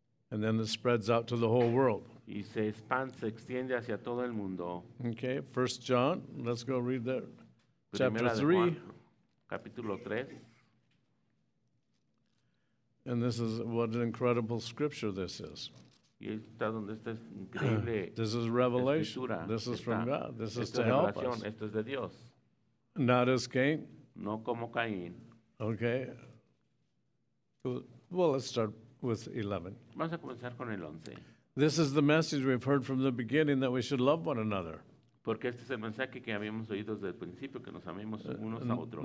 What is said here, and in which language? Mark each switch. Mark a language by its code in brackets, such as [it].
[en] And then it spreads out to the whole world. [es] Y se expande, se extiende hacia todo el mundo. [en] Okay, 1 John, let's go read there. [es] Primera [en] chapter [es] 3. Capítulo 3. [en] And this is what an incredible scripture this is. This is revelation. This is from God. This is to help us. [es] Esto es de Dios. [en] Not as Cain. [es] No como Caín. [en] Okay. Well, let's start with 11. [es] Vamos a comenzar con el 11. [en] This is the message we've heard from the beginning that we should love one another. [es] Porque este es el mensaje que habíamos oído desde el principio, que nos amemos unos a otros.